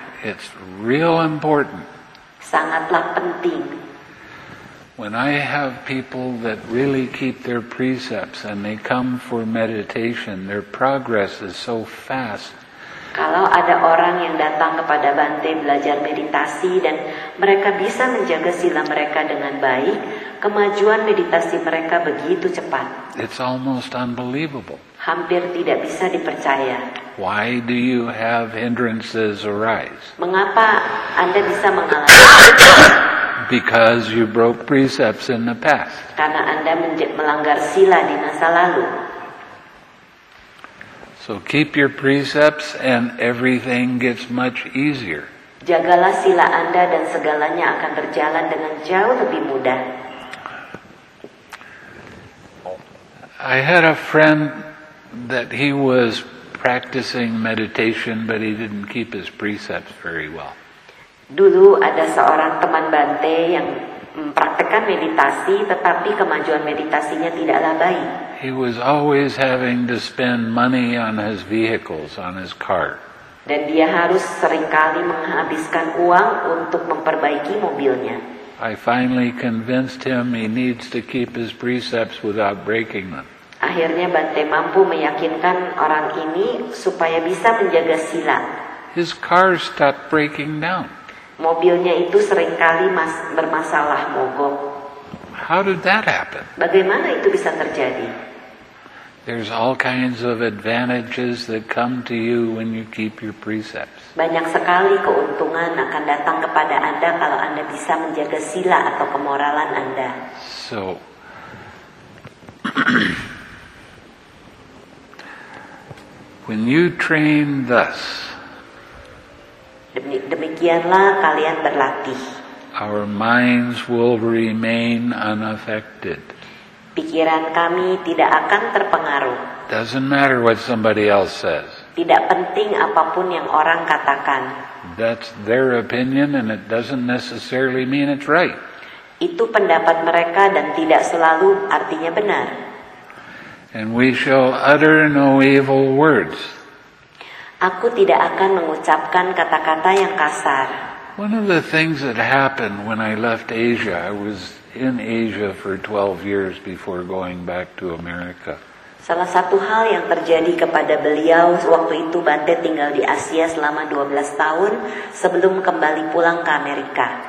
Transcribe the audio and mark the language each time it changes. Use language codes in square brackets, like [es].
[en] It's real important. [id] Sangatlah penting. [en] When I have people that really keep their precepts and they come for meditation, their progress is so fast. [id] Kalau ada orang yang datang kepada Bante belajar meditasi dan Mereka bisa menjaga sila mereka dengan baik. Kemajuan meditasi mereka begitu cepat. [en] It's almost unbelievable. [id] Hampir tidak bisa dipercaya. [en] Why do you have hindrances arise? [id] Mengapa Anda bisa mengalami? [en] Because you broke precepts in the past. [id] Karena Anda melanggar sila di masa lalu. [en] So keep your precepts and everything gets much easier. [id] Jagalah sila Anda dan segalanya akan berjalan dengan jauh lebih mudah. [en] I had a friend that he was practicing meditation, but he didn't keep his precepts very well. [id] Dulu ada seorang teman Bante yang praktekkan meditasi, tetapi kemajuan meditasinya tidaklah baik. [en] He was always having to spend money on his vehicles, on his car. [id] Dan dia harus seringkali menghabiskan uang untuk memperbaiki mobilnya. [en] I finally convinced him he needs to keep his precepts without breaking them. [id] Akhirnya Bante mampu meyakinkan orang ini supaya bisa menjaga sila. [en] His car stopped breaking down. [id] Mobilnya itu seringkali bermasalah mogok. [en] How did that happen? [id] Bagaimana itu bisa terjadi? [en] There's all kinds of advantages that come to you when you keep your precepts. [id] Banyak sekali keuntungan akan datang kepada Anda kalau Anda bisa menjaga sila atau kemoralan Anda. [en] So, when you train thus, [id] demikianlah kalian berlatih. [en] Our minds will remain unaffected. [id] Pikiran kami tidak akan terpengaruh. [en] Doesn't matter what somebody else says. [id] Tidak penting apapun yang orang katakan. [en] That's their opinion and it doesn't necessarily mean it's right. [id] Itu pendapat mereka dan tidak selalu artinya benar. [en] And we shall utter no evil words. [id] Aku tidak akan mengucapkan kata-kata yang kasar. [en] One of the things that happened when I left Asia, I was in Asia for 12 years before going back to America. [id] Salah satu hal yang terjadi kepada beliau waktu itu Bante tinggal di Asia selama 12 tahun sebelum kembali pulang ke Amerika.